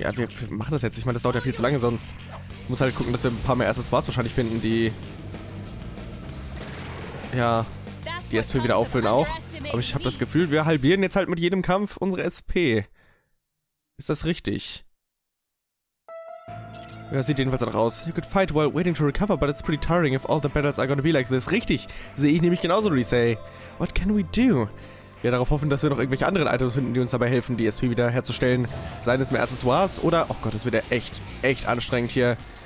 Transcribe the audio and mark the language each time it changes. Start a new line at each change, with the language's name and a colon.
German: Ja, wir machen das jetzt. Ich meine, das dauert ja viel zu lange sonst. Ich muss halt gucken, dass wir ein paar mehr Accessoires wahrscheinlich finden, die. Ja, die SP wieder auffüllen auch. Aber ich habe das Gefühl, wir halbieren jetzt halt mit jedem Kampf unsere SP. Ist das richtig? Ja, sieht jedenfalls danach aus.
English: You could fight while waiting to recover, but it's pretty tiring if all the battles are gonna be like this.
German: Richtig, sehe ich nämlich genauso, Risei.
English: What can we do?
German: Wir darauf hoffen, dass wir noch irgendwelche anderen Items finden, die uns dabei helfen, die SP wieder herzustellen. Seien es mehr Accessoires oder... Oh Gott, das wird ja echt, echt anstrengend hier.